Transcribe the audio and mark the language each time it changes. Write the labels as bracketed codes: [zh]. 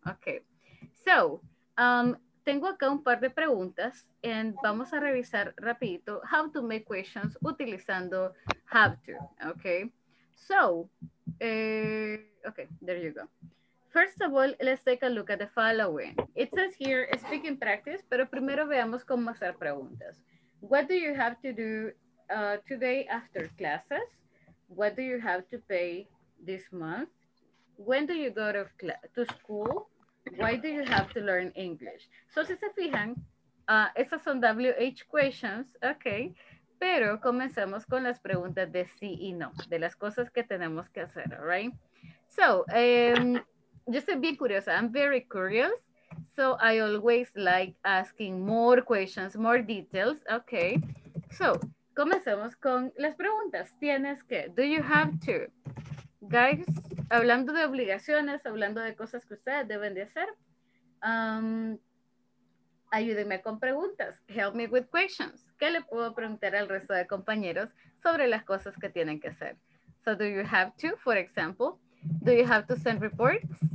[es] Okay, so... tengo acá un par de preguntas and vamos a revisar rapidito [en] how to make questions [es] utilizando have to, okay? [en] So, okay, there you go. First of all, let's take a look at the following. It says here, speak in practice, [es] pero primero veamos cómo hacer preguntas. [en] What do you have to do today after classes? What do you have to pay this month? When do you go to school? Why do you have to learn English? [es] So, si se fijan, esas son WH questions, okay. Pero comencemos con las preguntas de sí y no, de las cosas que tenemos que hacer, [en] all right? So, [es] yo estoy bien curiosa, [en] I'm very curious. So, I always like asking more questions, more details, okay. [es] So, comencemos con las preguntas. Tienes que, [en] do you have to? [es] Guys, hablando de obligaciones, hablando de cosas que ustedes deben de hacer. ayúdenme con preguntas. [en] Help me with questions. [es] ¿Qué le puedo preguntar al resto de compañeros sobre las cosas que tienen que hacer? [en] So, do you have to, for example, do you have to send reports?